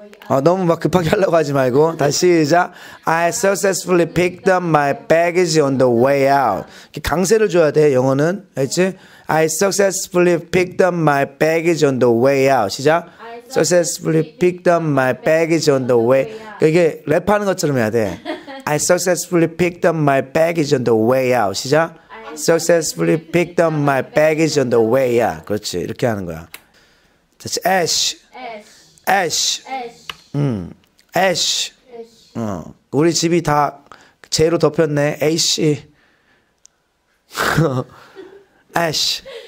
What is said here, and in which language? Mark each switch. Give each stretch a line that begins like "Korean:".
Korean: Oh, 너무 막 급하게 하려고 하지 말고 다시 시작.
English: I successfully picked up my baggage on the way out.
Korean: 강세를 줘야 돼 영어는. 알지?
English: I successfully picked up my baggage on the way out.
Korean: 시작.
English: Successfully picked up my baggage on the way.
Korean: 이게 랩하는 것처럼 해야 돼.
English: I successfully picked up my baggage on the way out.
Korean: 시작.
English: Successfully picked up my baggage on the way out.
Korean: 그렇지, 이렇게 하는 거야. 다시. Ash.
English: Ash. Ash.
Korean: 우리 집이 다 재로 덮였네.
English: Ash. Ash.